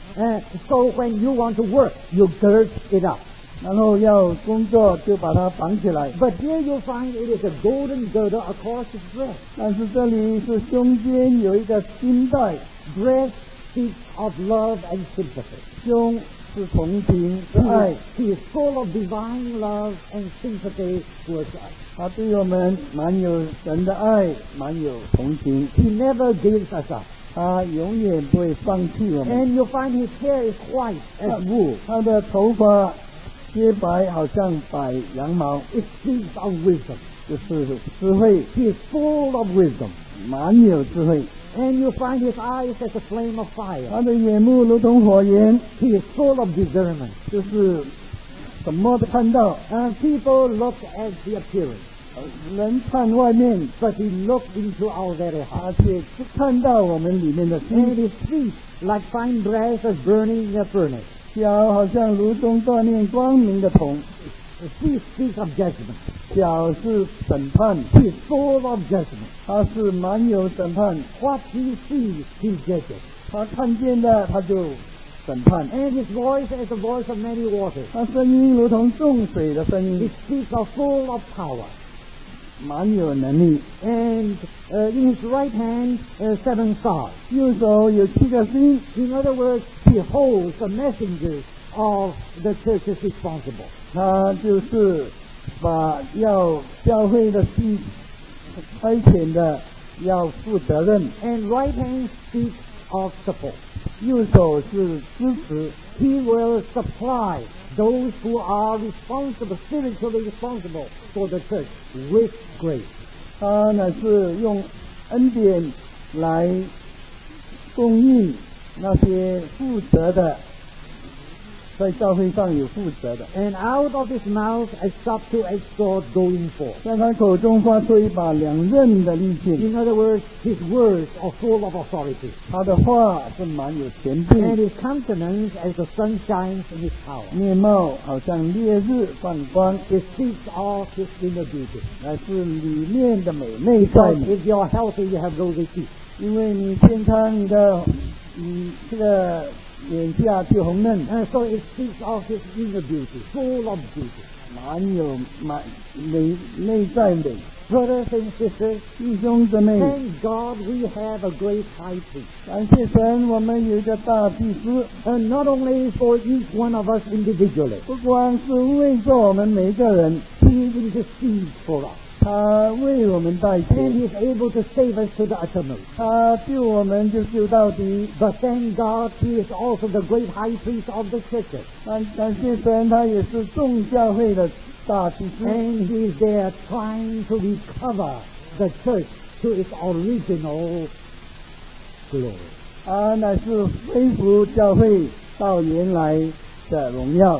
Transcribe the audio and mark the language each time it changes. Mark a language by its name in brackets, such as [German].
[English] So when you want to work, you gird it up. [Chinese] 然后要工作就把它绑起来 [English] But here you find it is a golden girdle across his breast [Chinese] 但是这里是胸间有一个金带 [English] Breast speaks of love and sympathy [Chinese] 胸是同情是爱 [English] He is full of divine love and sympathy towards us [Chinese] 他对我们蛮有神的爱蛮有同情 [English] He never gives us up [Chinese] 他永远不会放弃我们 [English] And you find his hair is white as wool [Chinese] 他的头发洁白好像白羊毛 [English] It speaks of wisdom [Chinese] 就是智慧 [English] He is full of wisdom [Chinese] 满有智慧 [English] And you find his eyes as a flame of fire [Chinese] 他的眼目如同火焰 [English] He is full of discernment [Chinese] 就是什么都看到 [English] And people look at the appearance [Chinese] 人看外面 [English] But he looks into our very heart [Chinese] 他却看到我们里面的心 [English] And his feet like fine brass as burning in a furnace [Chinese] 脚好像炉中锻炼光明的铜 [English] He speaks of judgment [Chinese] 脚是审判 [English] He is full of judgment [Chinese] 他是满有审判 [English] What he sees, he judges [Chinese] 他看见的他就审判 [English] And his voice is the voice of many waters [Chinese] 他声音如同众水的声音 [English] He speaks of full of power [Chinese] 蛮有能力。 [English] And in his right hand, seven stars. [Chinese] 右手有七个星。 [English] In other words, he holds the messengers of the churches responsible. [Chinese] 他就是把要教会的信差遣的要负责任。 [English] And right hand speaks of support. [Chinese] 右手是支持。 [English] He will supply those who are responsible, spiritually responsible for the church with grace. [Chinese] 他呢是用恩典来供应那些负责的，在教会上有负责的。 [English] And out of his mouth a sharp two-edged sword going forth. [Chinese] 在他口中发出一把两刃的利剑。 [English] In other words, his words are full of authority. [Chinese] 他的话是蛮有权柄。 [English] And his countenance as the sun shines in his power. [Chinese] 面貌好像烈日放光。 [English] It speaks of his inner beauty. [Chinese] 那是里面的美，内在美。 [English] If you are healthy, you have rosy cheeks. [Chinese] 因为你健康，你的，这个。眼下就红嫩 [English] so it speaks of his inner beauty, full of beauty, [Chinese] 蛮有蛮美内在美 [English] Brothers and sisters, [Chinese] 弟兄姊妹 [English] Thank God we have a great high priest. [Chinese] 感谢神，我们有一个大祭司 [English] And not only for each one of us individually, [Chinese] 不光是为着我们每个人 [English] He intercedes for us. [Chinese] 他为我们代求 [English] and he is able to save us to the uttermost [Chinese] 他救我们就救到底 [English] but thank God he is also the great high priest of the churches [Chinese] 感谢神他也是众教会的大祭司 [English] and he is there trying to recover the church to its original glory [Chinese] 他乃是恢复教会到原来的荣耀